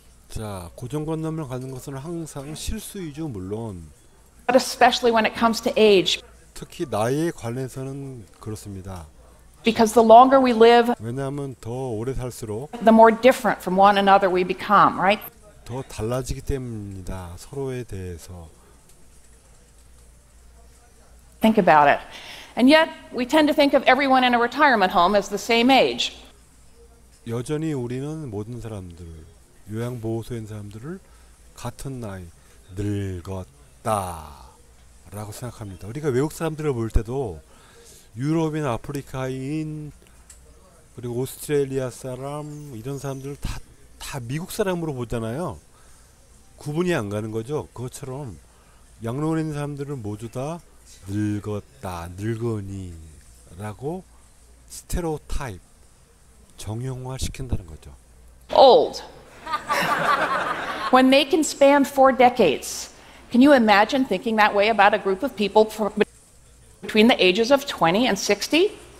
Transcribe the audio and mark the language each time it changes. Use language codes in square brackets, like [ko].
[ko] 자, 고정관념을 갖는 것은 항상 실수이죠, 물론. [en] But especially when it comes to age. [ko] 특히 나이에 관해서는 그렇습니다. [en] Because the longer we live, [ko] 왜냐하면 더 오래 살수록 [en] the more different from one another we become, right? [ko] 더 달라지기 때문입니다. 서로에 대해서. [en] Think about it. And yet, we tend to think of everyone in a retirement home as the same age. [ko] 여전히 우리는 모든 사람들, 요양보호소에 있는 사람들을 같은 나이, 늙었다 라고 생각합니다. 우리가 외국 사람들을 볼 때도 유럽인, 아프리카인, 그리고 오스트레일리아 사람 이런 사람들을 다 미국 사람으로 보잖아요. 구분이 안 가는 거죠. 그것처럼 양로원에 있는 사람들은 모두 다 늙었다, 늙으니 라고 스테레오타입 정형화 시킨다는 거죠. [en] Old. When they can span four decades, can you imagine thinking that way about a group of people between the ages of 20 and 60?